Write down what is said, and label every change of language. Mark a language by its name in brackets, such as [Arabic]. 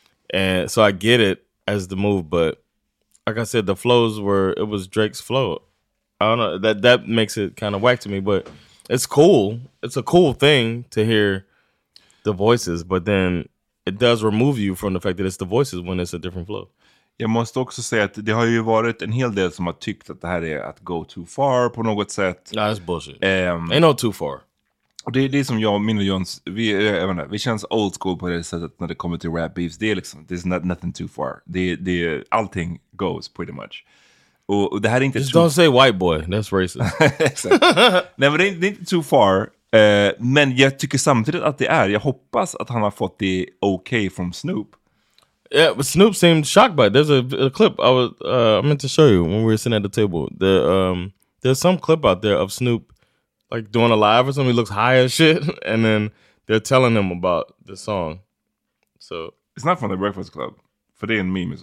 [English] And so I get it as the move, but like I said, the flows were, it was Drake's flow. I don't know, that makes it kind of whack to me, but it's cool. It's a cool thing to hear the voices, but then it does remove you from the fact that it's the voices when it's a different flow. [Swedish] Jag måste också säga att det har ju varit en hel del som har tyckt att det här är att [English] go too far [Swedish] på något sätt. [English] Nah, that's bullshit. Ain't no too far. [Swedish] Det är som jag, min och Jons, vi känns old school på det sättet när det kommer till rap beefs. Det är liksom, [English] there's nothing too far. [Swedish] Det är, allting [English] goes pretty much. [Swedish] Och det här är inte [English] just too, don't say white boy, that's racist. [Swedish] Nej, men det är inte [English] too far. [Swedish] Men jag tycker samtidigt att det är, jag hoppas att han har fått det okay från Snoop. [English] Yeah, but Snoop seemed shocked by it. There's a clip I meant to show you when we were sitting at the table. There's some clip out there of Snoop like doing a live or something. He looks high as shit, and then they're telling him about the song. So it's not from the Breakfast Club, for they in meme is